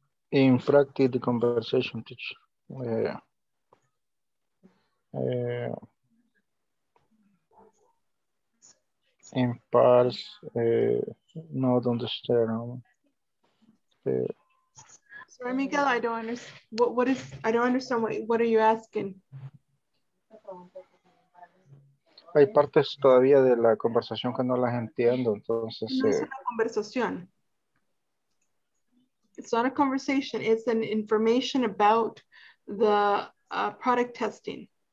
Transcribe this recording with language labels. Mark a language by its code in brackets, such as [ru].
[en] In practice, the conversation, teacher. In parts, not understand. Sorry, Miguel, I don't understand. What is, I don't understand, what are you asking? [es] Hay partes todavía de la conversación que no las entiendo, entonces. No es una conversación. [en] It's not a conversation, it's an information about the product testing.